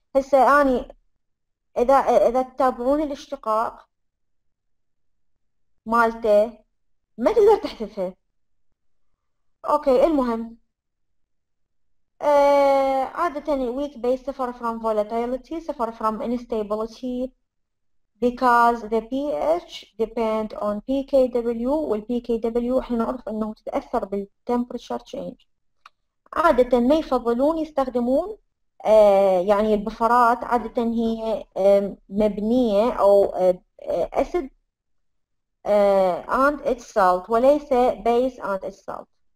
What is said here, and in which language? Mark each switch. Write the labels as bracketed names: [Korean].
[Arabic] هسه يعني اذا تتابعون الاشتقاق مالته ما تقدر تحذفها. اوكي المهم، عادة [English] weak base suffer from volatility suffer from instability because the pH depend on PKW [Arabic] وال PKW احنا نعرف انه تتأثر بال [English] temperature change. [Arabic] عادة ما يفضلون يستخدمون يعني البفرات، عادة هي مبنية او [English] acid and its salt [Arabic] وليس [English] base and its salt.